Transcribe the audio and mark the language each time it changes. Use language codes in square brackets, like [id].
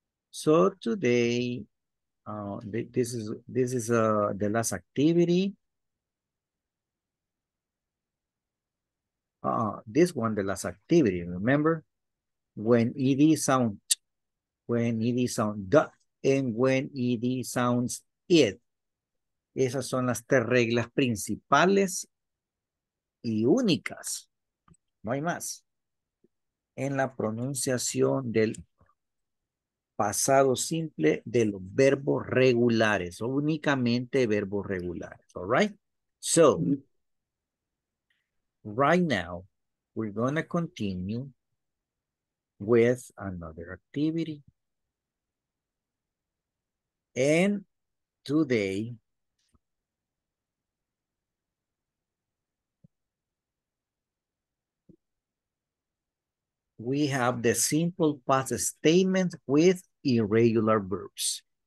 [en] So today, this is the last activity. This one, the last activity, remember? When ED sound, when ED sound duh, and when ED sounds it. [es] Esas son las tres reglas principales y únicas, no hay más, en la pronunciación del pasado simple de los verbos regulares, únicamente verbos regulares, [en] all right? So, right now, we're going to continue with another activity. And today, we have the simple past statement with irregular verbs.